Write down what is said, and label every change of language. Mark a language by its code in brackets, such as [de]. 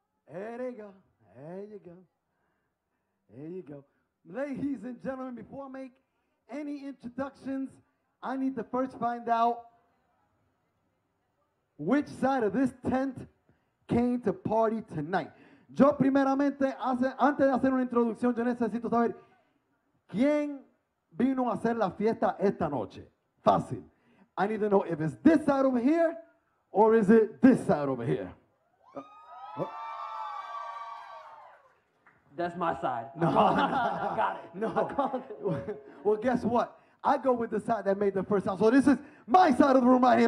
[en] There you go. There you go. There you go. Ladies and gentlemen, before I make any introductions, I need to first find out which side of this tent came to party tonight. [es] Yo primeramente, antes de hacer una introducción, yo necesito saber quién vino a hacer la fiesta esta noche. Fácil. [en] I need to know if it's this side over here or is it this side over here. That's my side. No. I got it. No. Well, guess what? I go with the side that made the first sound. So this is my side of the room right here.